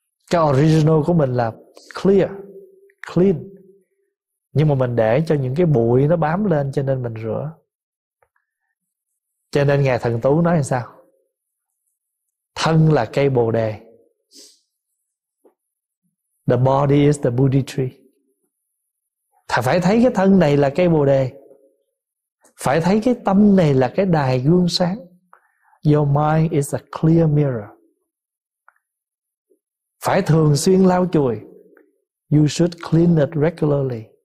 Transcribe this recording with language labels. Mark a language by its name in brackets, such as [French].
[Vietnamese] Cái original của mình là clear, clean. Nhưng mà mình để cho những cái bụi nó bám lên cho nên mình rửa. Cho nên Ngài Thần Tú nói làm sao? Thân là cây bồ đề. [English] The body is the Bodhi tree. [Vietnamese] Thà phải thấy cái thân này là cây bồ đề. Phải thấy cái tâm này là cái đài gương sáng. [English] Your mind is a clear mirror. [Vietnamese] Phải thường xuyên lau chùi. [English] You should clean it regularly.